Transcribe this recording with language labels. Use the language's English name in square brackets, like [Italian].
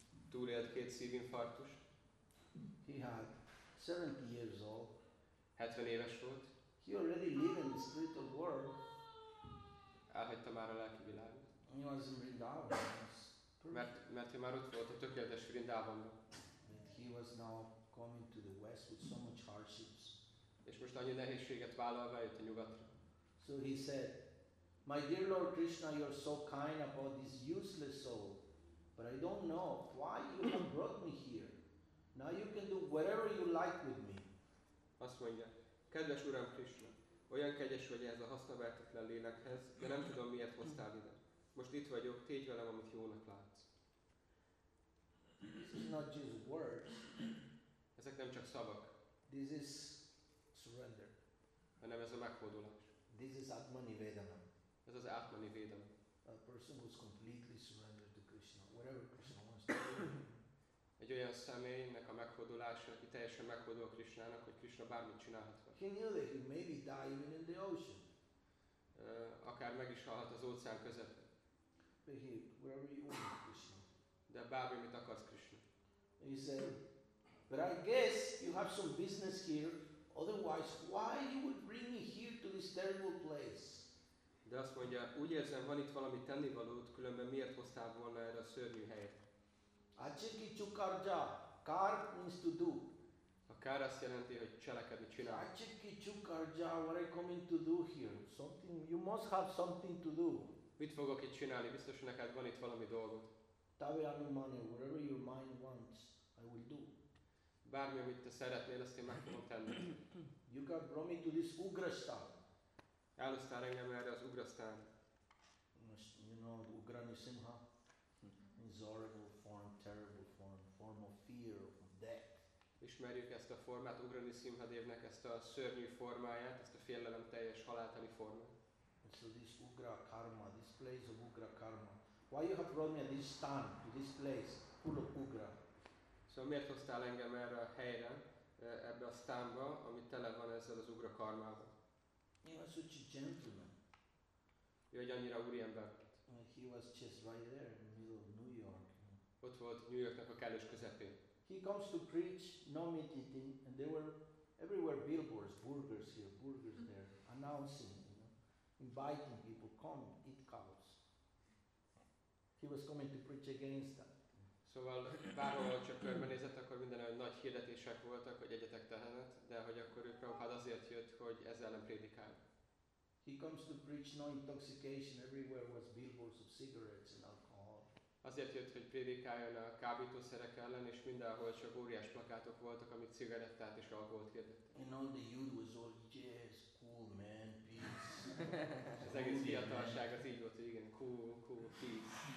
[Hungarian] Túlélt két szívinfarktus. [English] He had 70 years old. [Hungarian] 70 éves volt. [English] He already lived in the spiritual world. [Hungarian] Elhagyta már a lelki világot. [English] He was in Vrindavan. [Hungarian] Mert ő már ott volt a tökéletes Vrindavanban. [English] He was now coming to the West with so much hardships. [Hungarian] És most annyi nehézséget vállalva jött a nyugatra. [English] So he said, "My dear Lord Krishna, you are so kind about this useless soul, but I don't know why you have brought me here. Now you can do whatever you like with me." [Hungarian] Azt mondja, kedves Uram Krishna, olyan kegyes vagy ez a hasznaverhetetlen lélekhez, de nem tudom miért hoztál ide. Most itt vagyok, tégy velem, amit jónak látsz. [English] This is not just words. [Hungarian] Ezek nem csak szavak. [English] This is surrender. [Hungarian] Hanem ez a meghódulás. [English] This is Atmanivedana. [Hungarian] Ez az Atmanivedana. [English] A person who is completely surrendered to Krishna, whatever Krishna wants to do. [Hungarian] Egy olyan személynek a meghódulása, aki teljesen meghódul Krishnának, hogy Krishna bármit csinálhat. [English] He knew that he may be diving in the ocean. [Hungarian] Akár meg is halhat az óceán közepén. [English] But he, wherever you want Krishna. [Hungarian] De bármi, mit akarsz, Krishna. [English] He said, "But I guess you have some business here. Otherwise, why you would bring me here to this terrible place?" [Hungarian] De azt mondja, úgy érzem, van itt valami tennivalót, különben miért hoztál volna erre a szörnyű helyre? [Bangla] Acheki chukarja, [English] kar means to do. [Hungarian] A kar azt jelenti, hogy cselekedni, csinálni. [Bangla] Acheki chukarja, [English] what I coming to do here? Something, you must have something to do. [Hungarian] Mit fogok itt csinálni? Biztos, hogy neked van itt valami dolgot. [Bangla] Tavi anumani, [English] whatever your mind wants, I will do. [Hungarian] Bármi, amit te szeretnél, azt én meg tudom tenni. [English] You got brought me to this Ugrasthan. [Hungarian] Elhoztál engem erre az Ugrasthan. [English] You know, Ugranisimha? It's horrible form, terrible form, form of fear, of death. [Hungarian] Ismerjük ezt a formát, Ugranisimha Devnek ezt a szörnyű formáját, ezt a félelem teljes haláltani formát. [English] And so this Ugra Karma, this place of Ugra Karma, why you have brought me at this time to this place full of ugra? [Hungarian] So miért hoztál engem erre a helyre, ebbe a sztánba, ami tele van ezzel az ugra karmával? [English] He was such a gentleman. [Hungarian] Ő egy annyira úriember. [English] He was just right there in the middle of New York. [Hungarian] Ott volt New Yorknak a kellős közepén. [English] He comes to preach, no meat eating, and there were everywhere billboards, burgers here, burgers there, announcing, you know, inviting people, come, eat cows. He was coming to preach against them. [Hungarian] Szóval bárhol csak körbenézett, akkor minden olyan nagy hirdetések voltak, hogy egyetek tehenet, de hogy akkor ő Prabhupád azért jött, hogy ezzel nem prédikál. [English] He comes to preach no intoxication, everywhere was billboards of cigarettes and alcohol. [Hungarian] Azért jött, hogy prédikáljon a kábítószerek ellen, és mindenhol csak óriás plakátok voltak, amik cigarettát és alkoholt hirdettek. [English] And all the youth was all jazz, cool man, peace. [Hungarian] Az egész fiatalság az így volt, hogy igen, [English] cool, cool, peace.